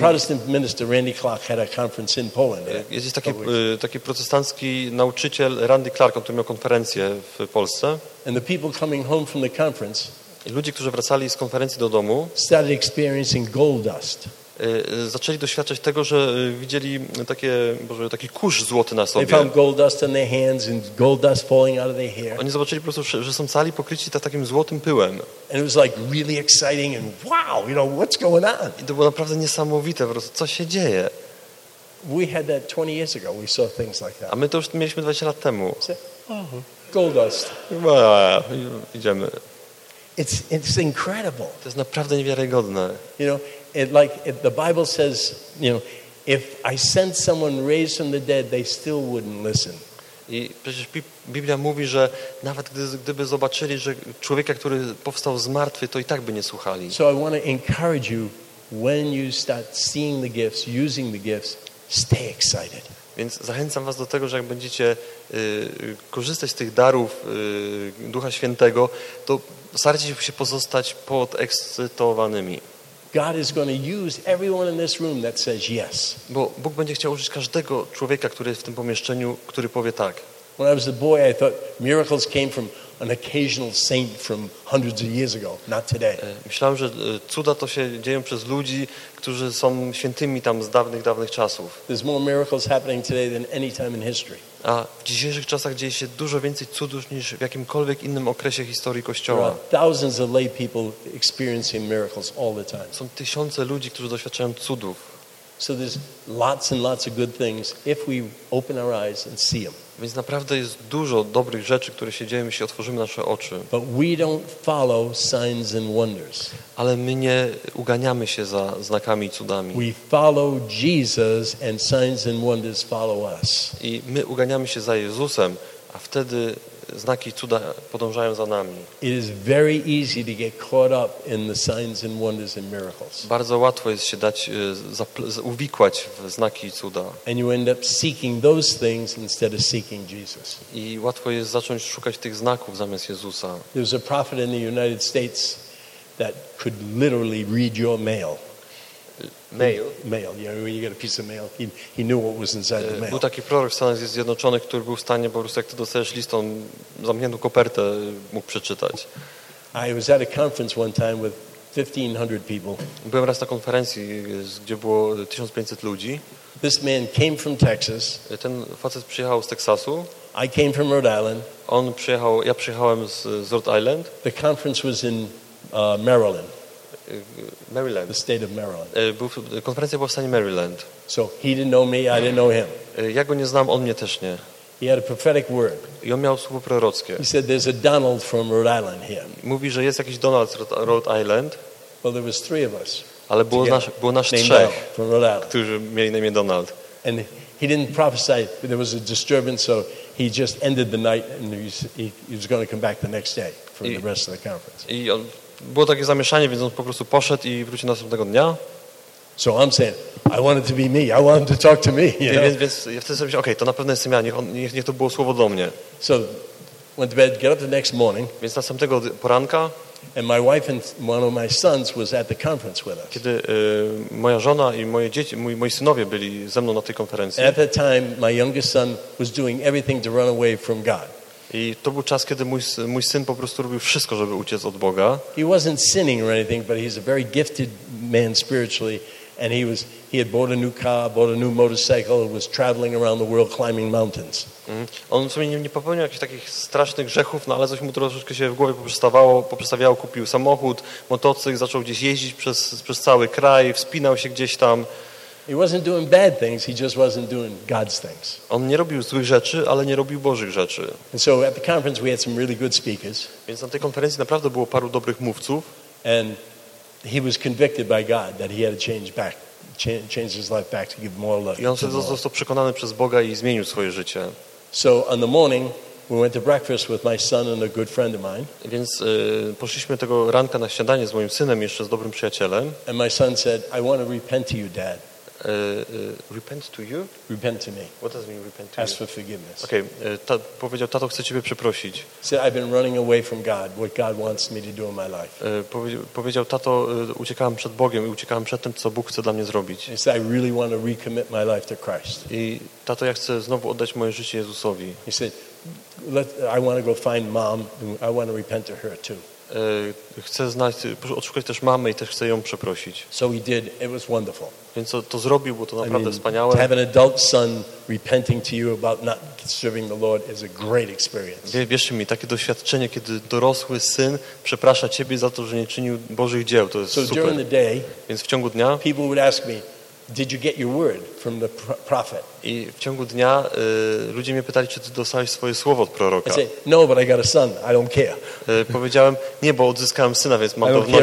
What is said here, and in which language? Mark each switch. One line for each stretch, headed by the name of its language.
English: Protestant minister Randy Clark had a conference in Poland.
Polish: Jest taki protestancki nauczyciel Randy Clark, on tu miał konferencję w Polsce.
English: And the people coming home from the conference.
Polish: I ludzie, którzy wracali z konferencji do domu,
English: started experiencing gold dust.
Polish: Zaczęli doświadczać tego, że widzieli taki kurz złoty na sobie.
English: They found gold dust in their hands and gold dust falling out of their hair.
Polish: Oni zobaczyli po prostu, że są cali pokryci takim złotym pyłem.
English: And it was like really exciting and wow, you know, what's going on?
Polish: I to było naprawdę niesamowite, po prostu, co się dzieje?
English: We had that 20 years ago. We saw things like that.
Polish: A my to już mieliśmy 20 lat temu.
English: Gold dust.
Polish: Idziemy.
English: It's incredible.
Polish: To jest naprawdę niewiarygodne.
English: You know, it like it, the Bible says, you know, if I sent someone raised from the dead, they still wouldn't listen.
Polish: I przecież Biblia mówi, że nawet gdyby zobaczyli, że człowieka, który powstał z martwych, to i tak by nie słuchali.
English: So I want to encourage you when you start seeing the gifts, using the gifts, stay excited.
Polish: Więc zachęcam was do tego, że jak będziecie korzystać z tych darów Ducha Świętego, to starajcie się pozostać podekscytowanymi.
English: God is going to use everyone in this room that says yes.
Polish: Bo Bóg będzie chciał użyć każdego człowieka, który jest w tym pomieszczeniu, który powie tak.
English: When I was a boy, I thought miracles came from an occasional saint from hundreds of years ago, not today.
Polish: Myślałem, że cuda to się dzieją przez ludzi, którzy są świętymi tam z dawnych czasów.
English: There's more miracles happening today than any time in history.
Polish: A w dzisiejszych czasach dzieje się dużo więcej cudów niż w jakimkolwiek innym okresie historii Kościoła.
English: There are thousands of lay people experiencing miracles all the time.
Polish: Są tysiące ludzi, którzy doświadczają cudów.
English: So there's lots and lots of good things if we open our eyes and see them.
Polish: Więc naprawdę jest dużo dobrych rzeczy, które się dzieją, jeśli otworzymy nasze oczy.
English: But we don't follow signs and wonders.
Polish: Ale my nie uganiamy się za znakami i cudami.
English: We follow Jesus and signs and wonders follow us.
Polish: I my uganiamy się za Jezusem, a wtedy znaki i cuda podążają za nami.
English: It is very easy to get caught up in the signs and wonders and miracles.
Polish: Bardzo łatwo jest się dać uwikłać w znaki i cuda.
English: And you end up seeking those things instead of seeking Jesus.
Polish: I łatwo jest zacząć szukać tych znaków zamiast Jezusa.
English: There was a prophet in the United States that could literally read your mail. Mail. You know, when you get a piece of mail, he knew what was inside the mail.
Polish: Był taki prorok w Stanach Zjednoczonych, który był w stanie po prostu, jak ty dostajesz list, on zamkniętą kopertę mógł przeczytać.
English: I was at a conference one time with 1500 people.
Polish: Byłem raz na konferencji, gdzie było 1500 ludzi.
English: This man came from Texas.
Polish: Ten facet przyjechał z Teksasu.
English: I came from Rhode Island.
Polish: Ja przyjechałem z Rhode Island.
English: The conference was in Maryland. The state of Maryland.
Polish: Konferencja była w stanie Maryland.
English: So he didn't know me, I didn't know him.
Polish: Ja go nie znam, on mnie też nie.
English: He had a prophetic word.
Polish: I on miał słowo prorockie.
English: He said there's a Donald from Rhode Island here.
Polish: Mówi, że jest jakiś Donald z Rhode Island.
English: Well, there was three of us.
Polish: Ale było nas trzech, którzy mieli na imię Donald.
English: And he didn't prophesy, but there was a disturbance, so he just ended the night and he was going to come back the next day for the rest of the conference.
Polish: I on było takie zamieszanie, więc on po prostu poszedł i wrócił następnego dnia.
English: So I'm saying, I want it to be me. I want him to talk to me. You know?
Polish: Więc ja wtedy sobie myślałem, okej, to na pewno jestem ja. Niech to było słowo do mnie.
English: So went to bed, get up the next morning.
Polish: Więc następnego poranka.
English: And my wife and one of my sons was at the conference with us.
Polish: Kiedy moja żona i moje dzieci, moi synowie byli ze mną na tej konferencji.
English: At that time, my youngest son was doing everything to run away from God.
Polish: I to był czas, kiedy mój syn po prostu robił wszystko, żeby uciec od Boga.
English: He wasn't sinning or anything, but he's a very gifted man spiritually. And he had bought a new car, bought a new motorcycle, was traveling around the world climbing mountains.
Polish: On w sumie nie popełnił jakichś takich strasznych grzechów, no ale coś mu troszeczkę się w głowie poprzestawiało, kupił samochód, motocykl, zaczął gdzieś jeździć przez cały kraj, wspinał się gdzieś tam.
English: He wasn't doing bad things, he just wasn't doing God's things.
Polish: On nie robił złych rzeczy, ale nie robił Bożych rzeczy.
English: And so at the conference we had some really good speakers.
Polish: Więc na tej konferencji naprawdę było paru dobrych mówców.
English: And he was convicted by God that he had to change his life back to give more love.
Polish: I on został przekonany przez Boga i zmienił swoje życie.
English: So on the morning we went to breakfast with my son and a good friend of mine.
Polish: Więc poszliśmy tego ranka na śniadanie z moim synem jeszcze z dobrym przyjacielem.
English: And my son said, "I want to repent to you, Dad." Repent to you? Repent to me. What does it mean repent to ask you? Ask for forgiveness.
Polish: Okay, powiedział, tato, chcę ciebie przeprosić.
English: Said, I've been running away from God, what God wants me to do in my life.
Polish: Powiedział, tato, uciekałem przed Bogiem i uciekałem przed tym, co Bóg chce dla mnie zrobić.
English: He said, I really want to recommit my life to Christ.
Polish: I tato, ja chcę znowu oddać moje życie Jezusowi.
English: He said, I want to go find mom and I want to repent to her too.
Polish: Chcę odszukać też mamę i też chcę ją przeprosić.
English: So he did. It was wonderful.
Polish: Więc to zrobił, bo to naprawdę wspaniałe.
English: To have an adult son repenting to you about not serving the Lord is a great experience.
Polish: Wierzcie mi, takie doświadczenie, kiedy dorosły syn przeprasza ciebie za to, że nie czynił Bożych dzieł, to jest
English: so
Polish: super.
English: During the day,
Polish: więc w ciągu dnia
English: people would ask me, did you get your word from the prophet?
Polish: I w ciągu dnia ludzie mnie pytali, czy ty dostałeś swoje słowo od proroka.
English: I said, no, but I got a son. I don't care.
Polish: Powiedziałem, nie, bo odzyskałem syna, więc mam to w nosie.